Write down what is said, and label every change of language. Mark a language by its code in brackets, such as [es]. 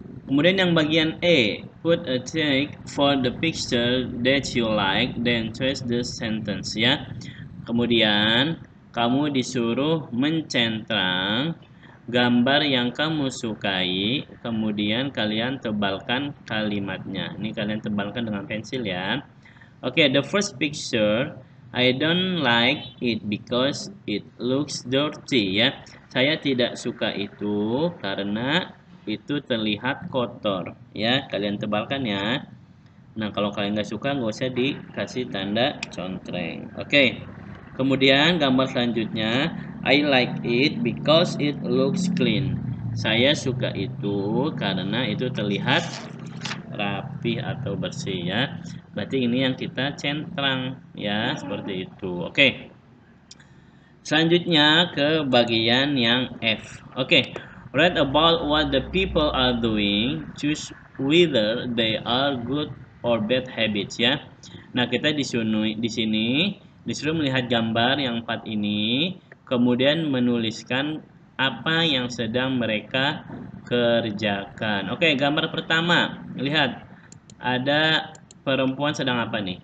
[id] Kemudian yang bagian E, [en] put a tag for the picture that you like, then trace the sentence ya. [id] Kemudian kamu disuruh mencentrang gambar yang kamu sukai, kemudian kalian tebalkan kalimatnya. Ini kalian tebalkan dengan pensil ya. [en] Oke, the first picture, I don't like it because it looks dirty ya. [id] Saya tidak suka itu karena itu terlihat kotor ya. Kalian tebalkan ya. Nah, kalau kalian nggak suka, nggak usah dikasih tanda centreng. Oke. Kemudian gambar selanjutnya, [en] I like it because it looks clean. [id] Saya suka itu karena itu terlihat rapi atau bersih ya. Berarti ini yang kita centrang ya, seperti itu. Oke. Selanjutnya ke bagian yang F. Oke. [en] Write about what the people are doing, choose whether they are good or bad habits ya. [id] Nah, kita di sini disuruh melihat gambar yang 4 ini, kemudian menuliskan apa yang sedang mereka kerjakan. Oke, gambar pertama, lihat ada perempuan sedang apa nih?